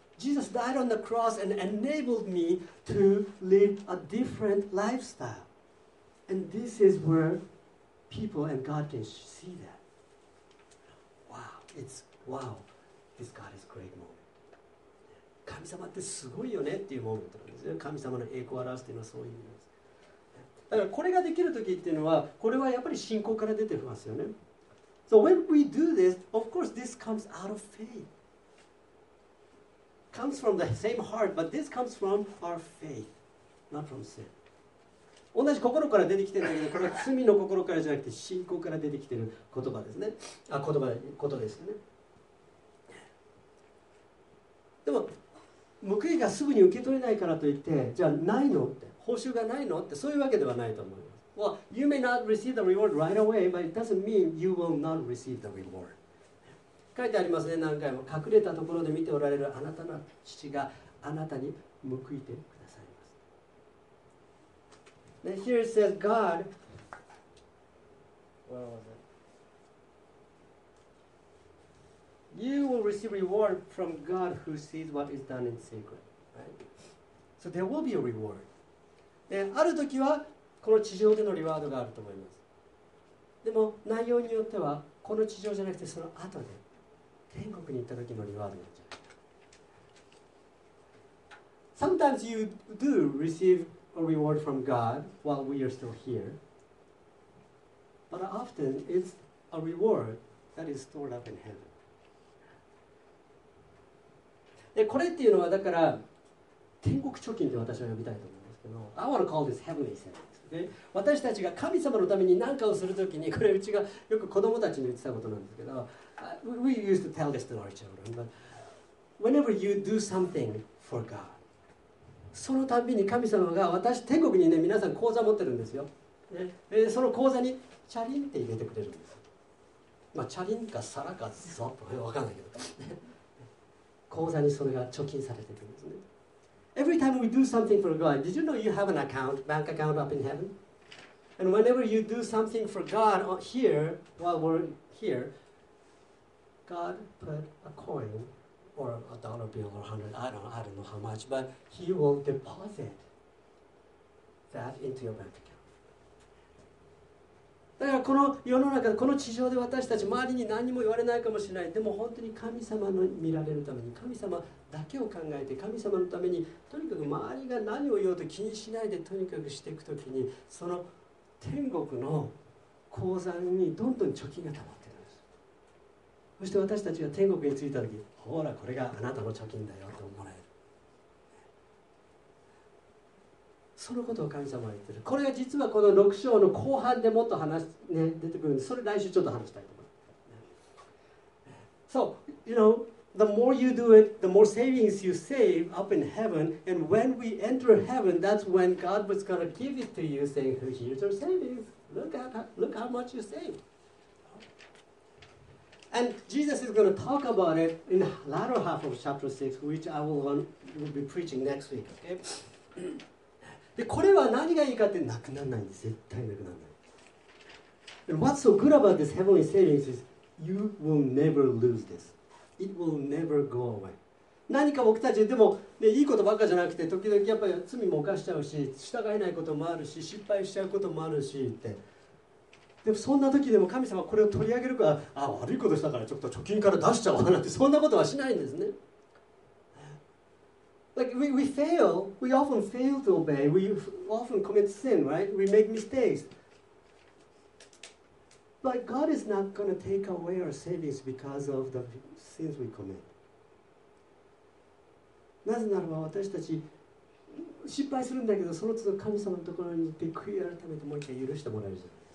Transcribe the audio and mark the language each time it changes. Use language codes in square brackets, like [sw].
[en] Jesus died on the cross and enabled me to live a different lifestyle. And this is where people and God can see that. Wow, this God is great moment. [ja] 神様ってすごいよねっていうモーメントなんですよ。神様の栄光を表すっていうのはそういう意味です。だからこれができる時っていうのは、これはやっぱり信仰から出てますよね。 [en] So when we do this, of course this comes out of faith. Comes from the same heart, but this comes from our faith, not from sin. [ja] 同じ心から出てきてるんだけど、これは罪の心からじゃなくて信仰から出てきてる言葉ですね。あ、言葉、ことですね。でも、報いがすぐに受け取れないからといって、じゃあないのって、報酬がないのって、そういうわけではないと思います。 [en] Well, you may not receive the reward right away, but it doesn't mean you will not receive the reward. [ja] 書いてありますね、何回も。隠れたところで見ておられるあなたの父があなたに報いてる。 [en] Then here it says, God, where was it? You will receive reward from God who sees what is done in secret. Right? So there will be a reward. [ja] ある時はこの地上でのリワードがあると思います。でも内容によってはこの地上じゃなくてその後で天国に行った時のリワードになっちゃう。 [en] Sometimes you do receive a reward from God while we are still here. But often it's a reward that is stored up in heaven. [ja] で、これっていうのはだから天国貯金って私は呼びたいと思うんですけど、 [en] I want to call this heavenly savings. Okay? [ja] 私たちが神様のために何かをするときに、これうちがよく子供たちに言ってたことなんですけど、 [en] we used to tell this to our children, but whenever you do something for God, [ja] そのたびに神様が私天国にね皆さん口座持ってるんですよ、ね、その口座にチャリンって入れてくれるんです。まあチャリンか皿かザッと分かんないけど、ね、口座にそれが貯金されてるんですね。 [en] Every time we do something for God, did you know you have an account, bank account up in heaven? And whenever you do something for God here, while we're here, God put a coinOr a dollar bill or a hundred, I don't know how much, but he will deposit that into your bank account. [ja] だからこの世の中、この地上で私たち周りに何も言われないかもしれない。でも本当に神様の見られるために、神様だけを考えて、神様のために、とにかく周りが何を言おうと気にしないで、とにかくしていくときに、その天国の口座にどんどん貯金がたまってるんです。そして私たちが天国に着いたとき、ほらこれがあなたの貯金だよと思われる。そのことを神様は言ってる。これが実はこの6章の後半でもっと話、ね、出てくるんで、それ来週ちょっと話したいと思います。 [en] So, you know, the more you do it, the more savings you save up in heaven, and when we enter heaven, that's when God was going to give it to you, saying, here's your savings. Look how much you saved. And Jesus is going to talk about it in the latter half of chapter 6, which I will be preaching next week. Okay? [ja] で、これは何がいいかってなくならないんです。絶対なくならない。 [en] And what's so good about this heavenly savings is you will never lose this. It will never go away. [ja] 何か僕たちでも、ね、いいことばっかじゃなくて、時々やっぱり罪も犯しちゃうし、従えないこともあるし、失敗しちゃうこともあるしって。でもそんな時でも神様はこれを取り上げるから、あ、悪いことしたからちょっと貯金から出しちゃおうなんて、そんなことはしないんですね。 [en] Like we fail, we often fail to obey, we often commit sin, right? We make mistakes. But God is not going to take away our savings because of the sins we commit. [ja] なぜならば私たち失敗するんだけど、その都度神様のところに行って悔い改めてもう一回許してもらえるじゃん。